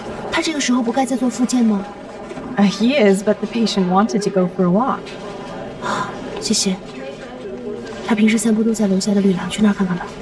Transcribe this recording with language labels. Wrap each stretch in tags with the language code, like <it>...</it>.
<zh>他这个时候不该在做复健吗？</zh> <en>He is, but the patient wanted to go for a walk.</en> <zh>谢谢。他平时散步都在楼下的绿廊，去那儿看看吧。</zh>